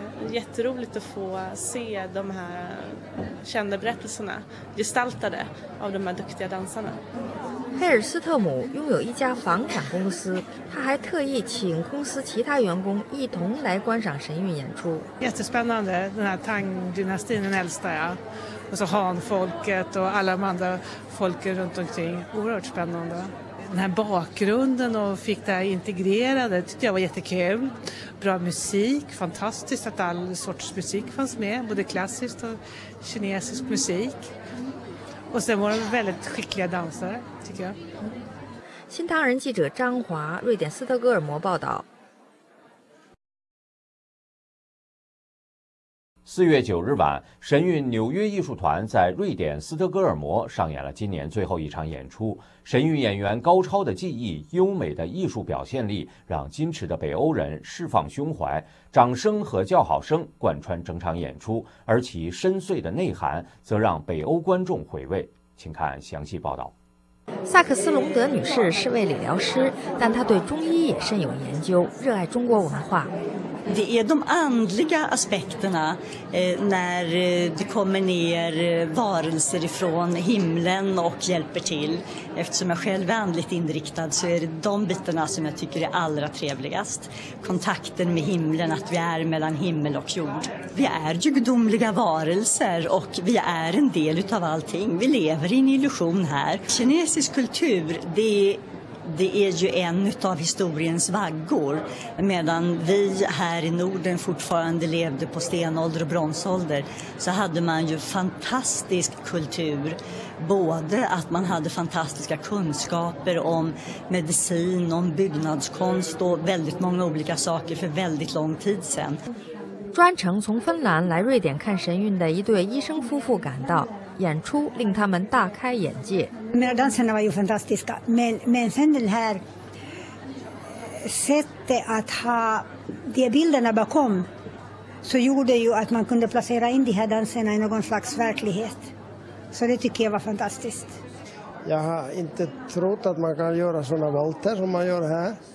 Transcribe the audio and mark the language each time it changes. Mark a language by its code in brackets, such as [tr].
[sv] Jätteroligt att få se de här kända berättelserna gestaltade av de här duktiga dansarna. [zh] 佩尔斯特姆拥有一家房产公司，他还特意请公司其他员工一同来观赏神韵演出。 [sv] Jättespännande, den här Tang-dynastin, den äldsta, ja. Och så Han-folket och alla de andra folken runt omkring. Oerhört spännande. Den här bakgrunden och fick det här integrerade tyckte jag var jättekul. Bra musik, fantastiskt att all sorts musik fanns med, både klassiskt och kinesisk musik. Och sen var de väldigt skickliga dansare, tycker jag. [zh] 新唐人记者张华，瑞典斯德哥尔摩报道。 4月9日晚，神韵纽约艺术团在瑞典斯德哥尔摩上演了今年最后一场演出。神韵演员高超的技艺、优美的艺术表现力，让矜持的北欧人释放胸怀。掌声和叫好声贯穿整场演出，而其深邃的内涵则让北欧观众回味。请看详细报道。萨克斯隆德女士是位理疗师，但她对中医也深有研究，热爱中国文化。 [sv] Det är de andliga aspekterna när det kommer ner varelser ifrån himlen och hjälper till. Eftersom jag själv är andligt inriktad så är det de bitarna som jag tycker är allra trevligast. Kontakten med himlen, att vi är mellan himmel och jord. Vi är ju gudomliga varelser och vi är en del av allting. Vi lever i en illusion här. Kinesisk kultur, det är ju en av historiens vaggor. Medan vi här i Norden fortfarande levde på stenålder och bronsålder så hade man ju fantastisk kultur. Både att man hade fantastiska kunskaper om medicin, om byggnadskonst och väldigt många olika saker för väldigt lång tid sedan. [zh] 专程从芬兰来瑞典看神韵的一对医生夫妇赶到，演出令他们大开眼界。 [sv] Mina danserna var ju fantastiska, men sen det här sättet att ha de bilderna bakom så gjorde ju att man kunde placera in de här danserna i någon slags verklighet. Så det tycker jag var fantastiskt. Jag har inte trott att man kan göra sådana valter som man gör här.